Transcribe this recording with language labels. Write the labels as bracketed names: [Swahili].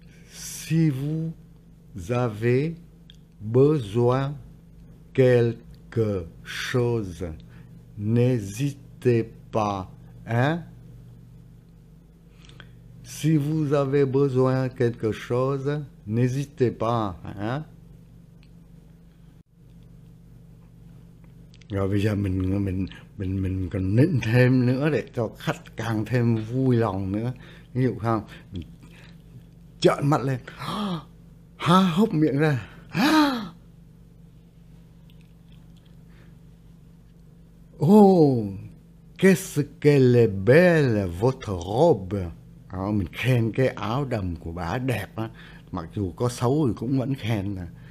[French] Si vous avez besoin quelque chose, n'hésitez pas. Hein? Si vous avez besoin de quelque chose, n'hésitez pas, hein? [Vietnamese] Rồi bây giờ mình còn nịnh thêm nữa để cho khách càng thêm vui lòng nữa. Ví dụ không, mình trợn mắt lên, há hốc miệng ra. [French] Oh, qu'est-ce qu'elle est belle, votre robe. [Vietnamese] Đó, mình khen cái áo đầm của bà đẹp á, mặc dù có xấu thì cũng vẫn khen nè.